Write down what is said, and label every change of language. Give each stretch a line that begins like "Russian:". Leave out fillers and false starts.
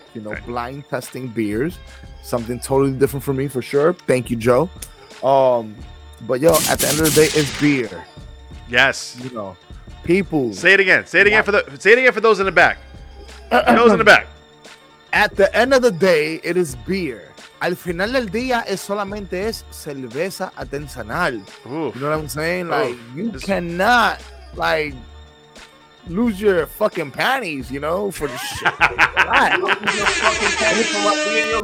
English: You know, blind testing beers, something totally different for me for sure. Thank you, Joe. But yo, at the end of the day, it's beer. Yes. You know, people. Say it again. Say it again for those in the back. Those in the back. At the end of the day, it is beer.
Spanish: Al final del día, es solamente es cerveza artesanal.
English: You know what I'm saying? Like, you cannot, like, lose your fucking panties, you know, for the shit.